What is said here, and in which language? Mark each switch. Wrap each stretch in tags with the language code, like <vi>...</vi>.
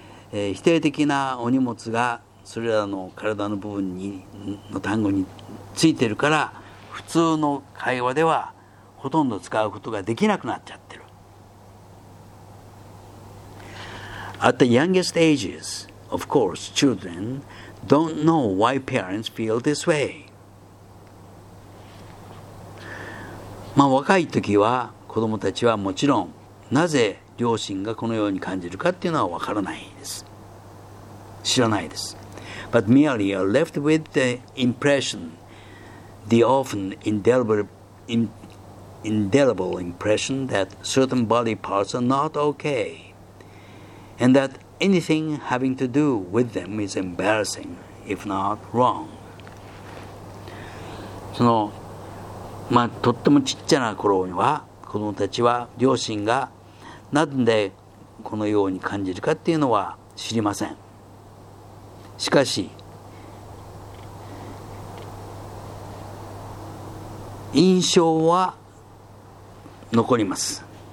<ja>否定的なお荷物がそれらの体の部分にの単語についてるから、普通の会話ではほとんど使うことができなくなっちゃってる。</ja> <en>At the youngest ages, of course, children don't know why parents feel this way.</en> <ja>まあ若い時は子供たちはもちろんなぜ両親がこのように感じるかっていうのはわからないです。知らないです。</ja> <en>But merely are left with the impression, the often indelible impression that certain body parts are not okay and that anything having to do with them is embarrassing, if not wrong.</en> <ja>そのまあとってもちっちゃな頃には子供たちは両親がなんでこのように感じるかっていうのは知りません。しかし印象は残ります。</ja>